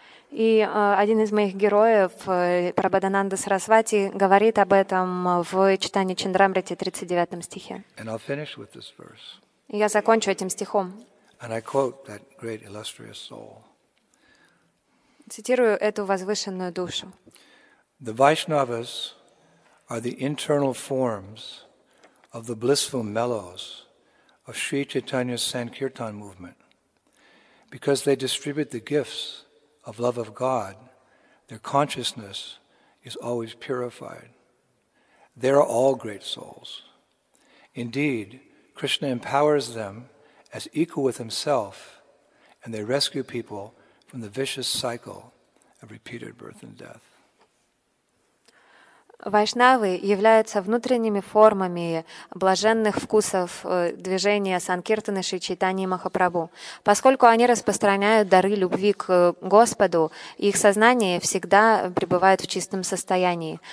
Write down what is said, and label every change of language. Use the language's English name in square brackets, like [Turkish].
[Russian] И один из моих героев, Прабхадананда Сарасвати, говорит об этом в Чайтанья Чандамрите, 39 стихе. [English] And I'll finish with this verse. [Russian] Я закончу этим стихом. [English] And I quote that great illustrious soul. [Russian] Цитирую эту возвышенную душу. [English] The Vaishnavas are the internal forms of the blissful mellows of Sri Chaitanya's Sankirtan movement. Because they distribute the gifts of love of God, their consciousness is always purified. They are all great souls. Indeed, Krishna empowers them as equal with himself, and they rescue people from the vicious cycle of repeated birth and death. [Russian] Вайшнавы являются внутренними формами блаженных вкусов движения Санкиртаны Шри Чайтаньи Махапрабху. Поскольку они распространяют дары любви к Господу, их сознание всегда пребывает в чистом состоянии.